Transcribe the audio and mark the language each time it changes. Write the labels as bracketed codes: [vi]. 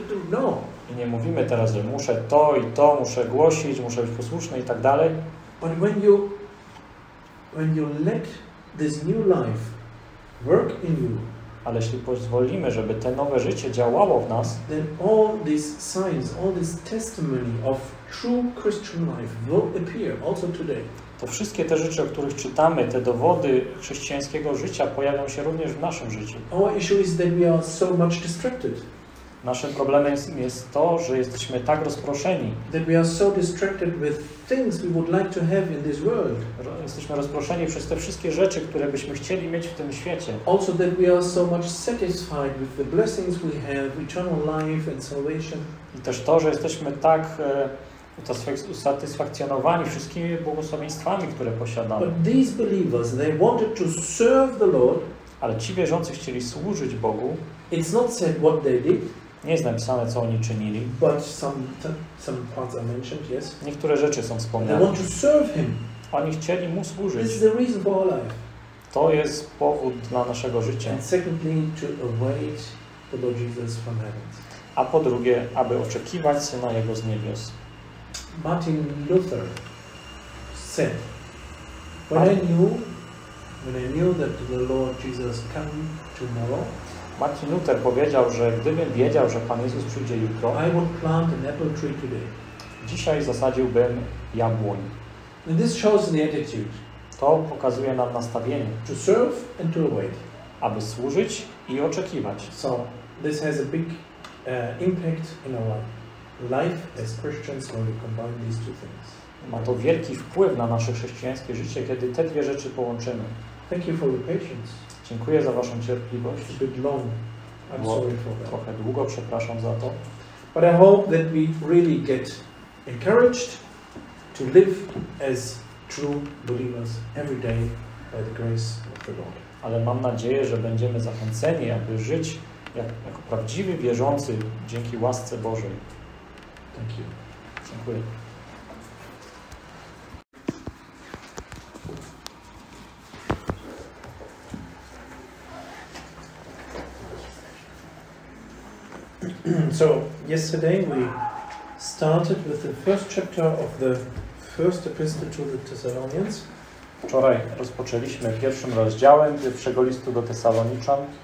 [pl] No. I nie mówimy teraz, że muszę to i to, muszę głosić, muszę być posłuszny i tak dalej. [en] But when you let this new life work in you, [pl] ale jeśli pozwolimy, żeby to nowe życie działało w nas, [en] then all these signs, all this testimony of true Christian life will appear also today. [pl] To wszystkie te rzeczy, o których czytamy, te dowody chrześcijańskiego życia pojawią się również w naszym życiu. [en] Our issue is that we are so much distracted. [pl] Naszym problemem jest to, że jesteśmy tak rozproszeni. [en] That we are so distracted with things we would like to have in this world. [pl] Jesteśmy rozproszeni przez te wszystkie rzeczy, które byśmy chcieli mieć w tym świecie. [en] Also that we are so much satisfied with the blessings we have, eternal life and salvation. [pl] I też to, że jesteśmy tak usatysfakcjonowani wszystkimi błogosławieństwami, które posiadamy. [en] But these believers, they wanted to serve the Lord. [pl] Ale ci wierzący chcieli służyć Bogu. [en] It's not said what they did. [pl] Nie jest napisane, co oni czynili. [en] But some parts are mentioned, yes. [pl] Niektóre rzeczy są wspomniane. [en] They want to serve him. [pl] Oni chcieli mu służyć. [en] This is the reason for our life. [pl] To jest powód dla naszego życia. [en] And secondly, to await the Lord Jesus from heaven. [pl] A po drugie, aby oczekiwać Syna Jego z niebios. [en] Martin Luther said, when I knew that the Lord Jesus came tomorrow, [pl] Martin Luther powiedział, że gdybym wiedział, że Pan Jezus przyjdzie jutro, [en] I would plant an apple tree today. [pl] Dzisiaj zasadziłbym jabłoń. [en] And this shows the attitude. [pl] To pokazuje nam nastawienie. [en] To serve and to await. [pl] Aby służyć i oczekiwać. [en] So this has a big impact in our life. Life as Christians, when we combine these two things. [pl] Ma to wielki wpływ na nasze chrześcijańskie życie, kiedy te dwie rzeczy połączymy. [en] Thank you for your patience. [pl] Dziękuję za waszą cierpliwość. [en] It's a bit long. I'm sorry for that. [pl] Trochę długo, przepraszam za to. [en] But I hope that we really get encouraged to live as true believers every day by the grace of the Lord. [pl] Ale mam nadzieję, że będziemy zachęceni, aby żyć jako prawdziwi wierzący dzięki łasce Bożej. [en] Thank you. [pl] Dziękuję. [en] So yesterday we started with the first chapter of the first epistle to the Thessalonians. [pl] Wczoraj rozpoczęliśmy pierwszym rozdziałem pierwszego listu do Tesaloniczan.